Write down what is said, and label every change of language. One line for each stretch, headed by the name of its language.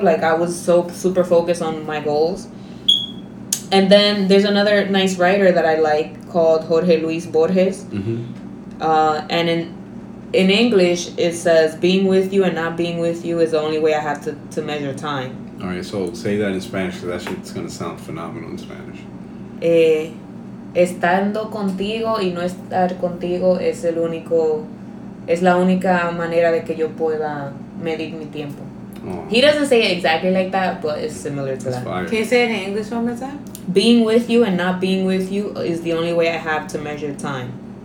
English: Like, I was so super focused on my goals. And then there's another nice writer that I like called Jorge Luis Borges. Mm-hmm. In English, it says, "Being with you and not being with you is the only way I have to measure time." All right, so say that in Spanish, because that shit's going to sound phenomenal in Spanish.
Spanish: Estando contigo y no estar contigo es la única manera de que yo pueda medir mi tiempo. Oh.
English: He doesn't say it exactly like that, but it's similar to that's that. Fire. Can you say it in English one more time? "Being with you and not being with you is the only way I have to measure time."